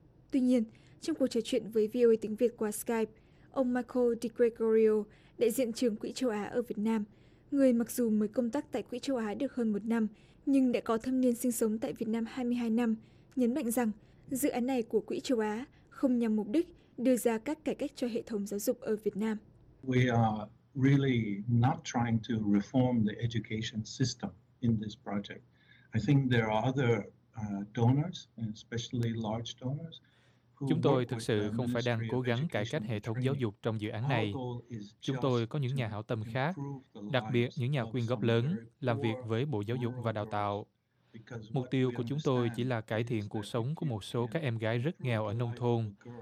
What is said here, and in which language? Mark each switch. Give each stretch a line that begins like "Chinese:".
Vietnamese: Tuy nhiên, trong cuộc trò chuyện với VOA tiếng Việt qua Skype, ông Michael DiGregorio, đại diện trường Quỹ Châu Á ở Việt Nam, người mặc dù mới công tác tại Quỹ Châu Á được hơn một năm, nhưng đã có thâm niên sinh sống tại Việt Nam 22 năm, nhấn mạnh rằng dự án này của Quỹ Châu Á không nhằm mục đích đưa ra các cải cách cho hệ thống giáo dục ở Việt Nam.
English: We are really not trying to reform the education system in this project. I think there are other donors, especially large donors.
Vietnamese: Chúng tôi thực sự không phải đang cố gắng cải cách hệ thống giáo dục trong dự án này. Chúng tôi có những nhà hảo tâm khác, đặc biệt những nhà quyên góp lớn, làm việc với Bộ Giáo dục và Đào tạo. Mục tiêu của chúng tôi chỉ là cải thiện cuộc sống của một số các em gái rất nghèo ở nông thôn.